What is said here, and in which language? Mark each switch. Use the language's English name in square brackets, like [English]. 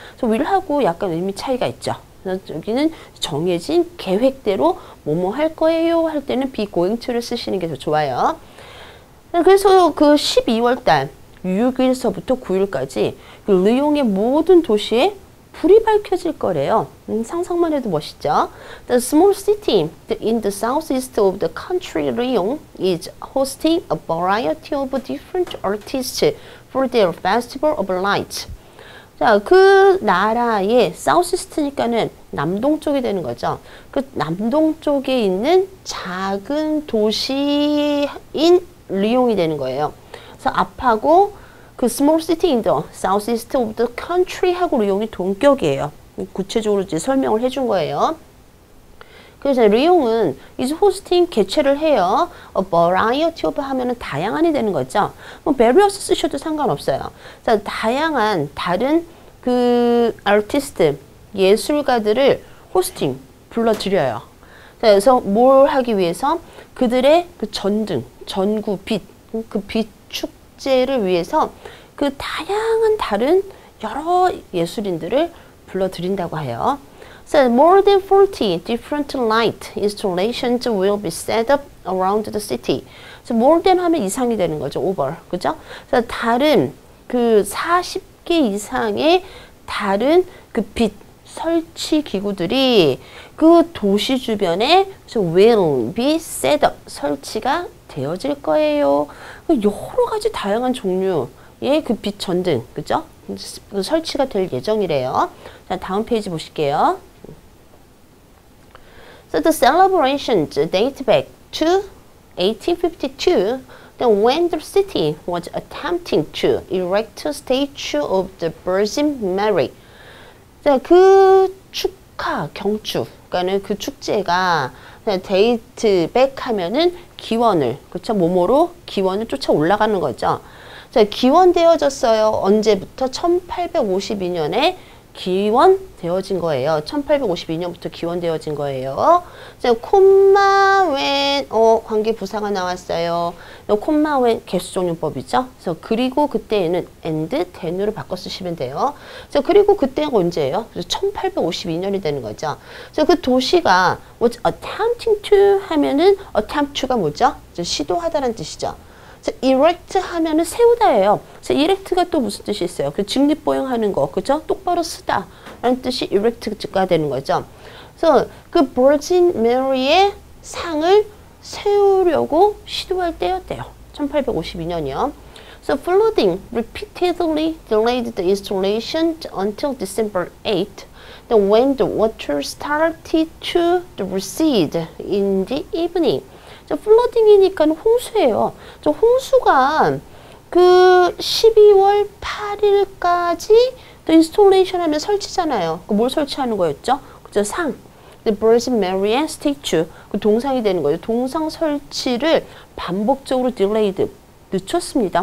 [Korean] 그래서 will하고 약간 의미 차이가 있죠. 여기는 정해진 계획대로 뭐뭐 할 거예요 할 때는 be going to를 쓰시는 게더 좋아요. 그래서 그 12월달 6일서부터 9일까지 그 리옹의 모든 도시에 불이 밝혀질 거래요. 상상만 해도 멋있죠? [English] The small city in the southeast of the country, Lyon, is hosting a variety of different artists for their festival of light. [Korean] 자, 그 나라의 southeast니까는 남동쪽이 되는 거죠. 그 남동쪽에 있는 작은 도시인 리옹이 되는 거예요. 그래서 앞하고 그 [English] small city in the southeast of the country [Korean] 하고 리옹이 동격이에요. 구체적으로 이제 설명을 해준 거예요. 그래서 리옹은 [English] is hosting [Korean] 개최를 해요. A variety of 하면은 다양한이 되는 거죠. 뭐 various 쓰셔도 상관없어요. 자, 다양한 다른 그 아티스트 예술가들을 호스팅 불러들여요. 그래서 뭘 하기 위해서 그들의 그 전등 전구 빛그 비축 축제를 위해서 그 다양한 다른 여러 예술인들을 불러들인다고 해요. [English] So more than 40 different light installations will be set up around the city. [Korean] So more than 하면 이상이 되는 거죠. Over. 그죠? So 다른 그 40개 이상의 다른 그빛 설치 기구들이 그 도시 주변에 [English] so will be set up [Korean] 설치가 되어질 거예요. 여러 가지 다양한 종류의 그빛 전등, 그죠? 설치가 될 예정이래요. 자, 다음 페이지 보실게요. [English] So the celebrations date back to 1852, when the city was attempting to erect a statue of the Virgin Mary. [Korean] 자, 그 축하, 경축, 그러니까는 그 축제가 데이트 백 하면은 기원을, 그쵸? 뭐뭐로 기원을 쫓아 올라가는 거죠. 자, 기원되어졌어요. 언제부터? 1852년에 기원되어진 거예요. 1852년부터 기원되어진 거예요. 자, 콤마 웬, 관계 부사가 나왔어요. 콤마 웬, 계수종료법이죠. 그리고 그때에는 and, then으로 바꿔 쓰시면 돼요. 자, 그리고 그때가 언제예요? 1852년이 되는 거죠. 그래서 그 도시가 [English] was attempting to [Korean] 하면은 attempt to가 뭐죠? 시도하다라는 뜻이죠. erect 하면은 세우다예요. 그래서 erect가 또 무슨 뜻이 있어요? 그 직립보행하는 거, 그죠? 똑바로 쓰다라는 뜻이 erect가 되는 거죠. 그래서 그 버진 메리의 상을 세우려고 시도할 때였대요. 1852년이요. [English] So flooding repeatedly delayed the installation until December 8th, when the water started to recede in the evening. [Korean] 플러딩이니까 홍수예요. 홍수가 그 12월 8일까지 또 인스톨레이션 하면 설치잖아요. 그뭘 설치하는 거였죠? 그죠? 상. The Virgin Mary의 스태츄. 그 동상이 되는 거예요. 동상 설치를 반복적으로 딜레이드. 늦췄습니다.